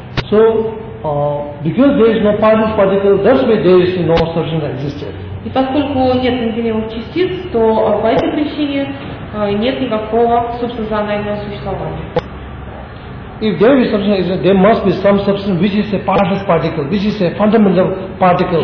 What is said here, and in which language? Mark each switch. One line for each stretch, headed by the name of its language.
English: So, because there is no partless particle, that's why there is no substantial existence.
Russian: И поскольку нет неделимых частиц, то по этой причине нет никакого субстанциального существования.
English: If there is substantial existence, there must be some substance which is a partless particle, which is a fundamental particle.